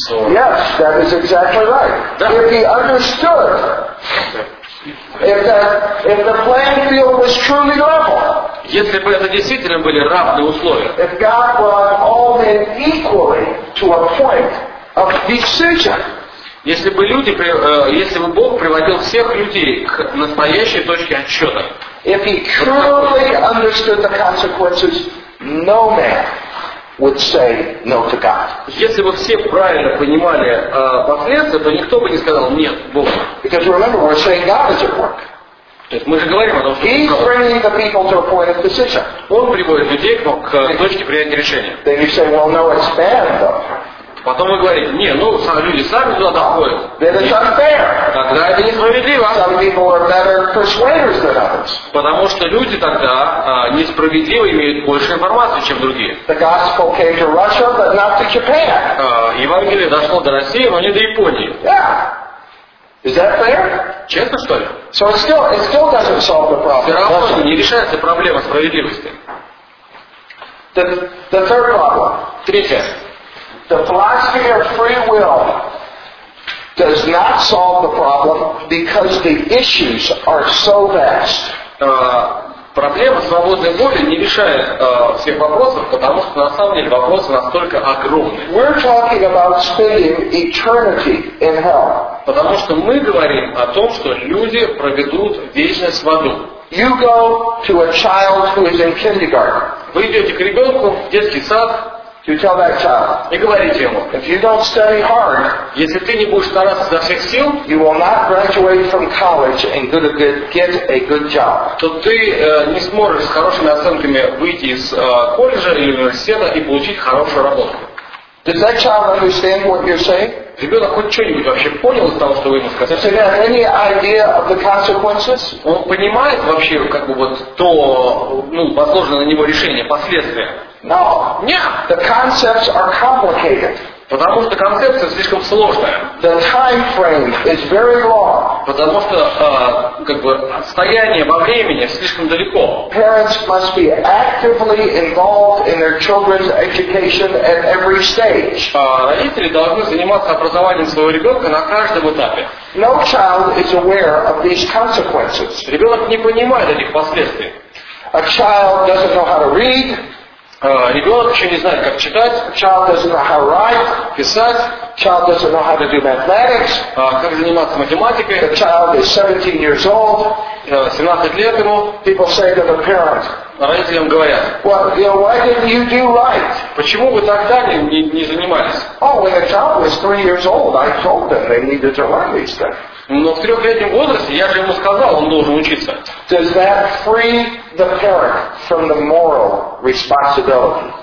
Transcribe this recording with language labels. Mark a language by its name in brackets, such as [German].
[English] Yes, that is exactly right. Yeah. If he understood, if the playing field was truly level, [Russian] если бы это действительно были равные условия, [English] if God brought all men equally to a point of decision, [Russian] если бы люди, если бы Бог приводил всех людей к настоящей точке отсчета, [English] if he truly understood the consequences, no man would say no to God. [Russian] Если бы все правильно понимали последствия, то никто бы не сказал нет Богу. [English] Because remember, we're saying God is at work. [Russian] Мы же говорим о том, что [English] He's bringing the people to a point of decision. [Russian] Он приводит людей к точке принятия решения. [English] Then you say, well, no, it's bad, though. [Russian] Потом вы говорите, не, ну люди сами туда доходят. [English] Then it's unfair. [Russian] Тогда это несправедливо. [English] Some people are better persuaders than others. [Russian] Потому что люди тогда несправедливо имеют больше информации, чем другие. [English] The gospel came to Russia, but not to Japan. [Russian] Евангелие дошло до России, но не до Японии. [English] Yeah. Is that fair? [Russian] Честно, что ли? [English] So it still doesn't solve the problem. [Russian] Все равно что не решается проблема справедливости. [English] The third problem. [Russian] Третье. [English] The philosophy of free will does not solve the problem because the issues are so vast. [Russian] Проблема свободной воли не решает всех вопросов, потому что на самом деле вопросы настолько огромные. [English] We're talking about spending eternity in hell. [Russian] Потому что мы говорим о том, что люди проведут вечность в аду. [English] You go to a child who is in kindergarten. [Russian] Вы идете к ребенку в детский сад. [English] You tell that child, if you don't study hard, [Russian] если ты не будешь стараться изо всех сил, [English] you will not graduate from college and get a good job. [Russian] То ты не сможешь с хорошими оценками выйти из колледжа или университета и получить хорошую работу. [English] Does that child understand what you're saying? [Russian] Ребенок хоть что-нибудь вообще понял из того, что вы ему сказали? [English] Does he have any idea of the consequences? [Russian] Он понимает вообще, как бы вот то, ну, возложенное на него решение, последствия? [English] No. [Russian] Нет. [English] The concepts are complicated. [Russian] Потому что концепция слишком сложная. [English] The time frame is very long. [Russian] Потому что как бы расстояние во времени слишком далеко. [English] Parents must be actively involved in their children's education at every stage. [Russian] Родители должны заниматься образованием своего ребенка на каждом этапе. [English] No child is aware of these consequences. [Russian] Ребенок не понимает этих последствий. [English] A child doesn't know how to read. [Russian] Ребенок еще не знает, как читать. [English] Child doesn't know how to write. [Russian] Писать. [English] Child doesn't know how to do mathematics. [Russian] Как заниматься математикой. [English] The child is 17 years old. [Russian] 17 лет ему. [English] People say to the parent. [Russian] Родителям говорят. [English] Well, you know, why didn't you do right? [Russian] Почему вы тогда не занимались? [English] Oh, when the child was 3 years old, I told them they needed to learn these things. [Russian] Но в трехлетнем возрасте я же ему сказал, он должен учиться. [English] Does that free the parent from the moral responsibility?